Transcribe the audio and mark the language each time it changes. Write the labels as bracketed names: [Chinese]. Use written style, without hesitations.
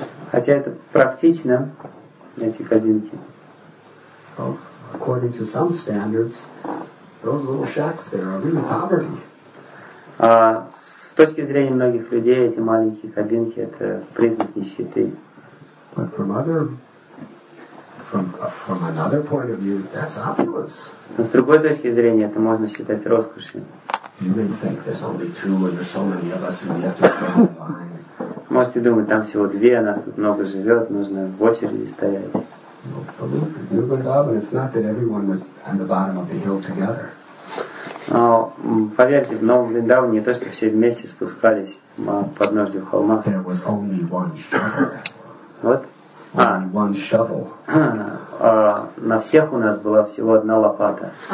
[Russian] Хотя это практично, эти кабинки. [English] According to some standards, those little shacks there are really poverty. [Russian] С точки зрения многих людей, эти маленькие кабинки — это признак нищеты. [English] But from another point of view, that's opulence. [Russian] Но с другой точки зрения, это можно считать роскошью. [English] You may think there's only two, and there's so many of us, and we have to stand in line. [Russian] Можете думать, там всего две, а нас тут много живет, нужно в очереди стоять. [English] New Vrindavan, it's not that everyone was on the bottom of the hill together. [Russian] Но поверьте, в Новом Вриндаване не то, что все вместе спускались под ножью холма. [English] There was only one shovel. [Russian] Вот. [English] Only one shovel. [Russian] На всех у нас была всего одна лопата.